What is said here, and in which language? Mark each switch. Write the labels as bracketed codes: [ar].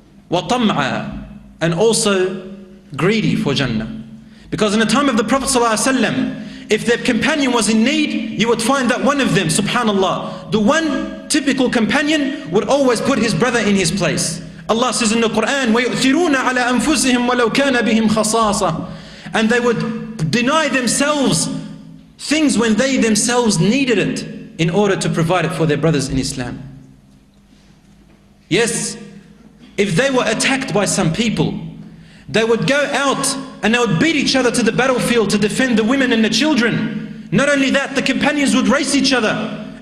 [en] وَطَمْعًا, and also greedy for Jannah. Because in the time of the Prophet ﷺ, if their companion was in need, you would find that one of them, subhanAllah, the one typical companion, would always put his brother in his place. Allah says in the Quran, [ar] وَيُؤْثِرُونَ عَلَىٰ أَنفُسِهِمْ وَلَوْ كَانَ بِهِمْ خَصَاصًا. [en] And they would deny themselves things when they themselves needed it in order to provide it for their brothers in Islam. Yes. If they were attacked by some people, they would go out and they would beat each other to the battlefield to defend the women and the children. Not only that, the companions would race each other